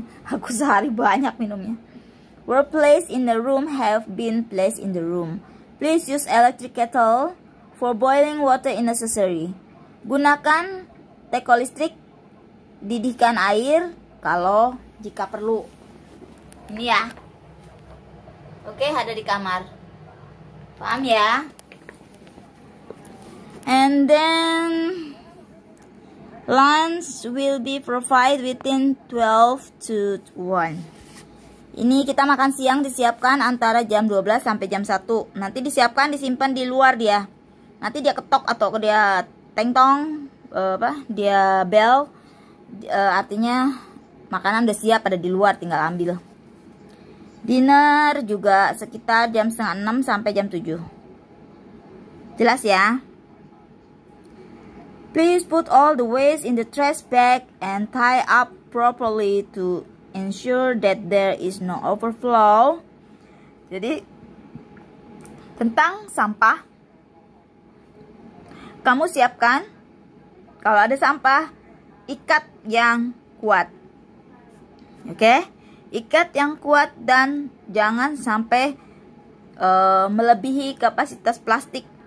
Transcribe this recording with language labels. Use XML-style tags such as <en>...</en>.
<id>Aku sehari banyak minumnya.</id> <en>Were placed in the room have been placed in the room. Please use electric kettle for boiling water if necessary.</en> <id>Gunakan teko listrik. Didihkan air kalau jika perlu. Ini ya. Oke, ada di kamar. Paham ya?</id> <en>And then lunch will be provided within 12 to 1.</en> <id>Ini kita makan siang disiapkan antara jam 12 sampai jam 1. Nanti disiapkan disimpan di luar dia. Nanti dia ketok atau dia tengtong apa? Dia bell. Artinya makanan udah siap, ada di luar, tinggal ambil. Dinner juga sekitar jam 6 sampai jam 7. Jelas ya?</id> <en>Please put all the waste in the trash bag and tie up properly to ensure that there is no overflow.</en> <id>Jadi tentang sampah, kamu siapkan kalau ada sampah ikat yang kuat. Oke? Okay? Ikat yang kuat dan jangan sampai melebihi kapasitas plastik.</id>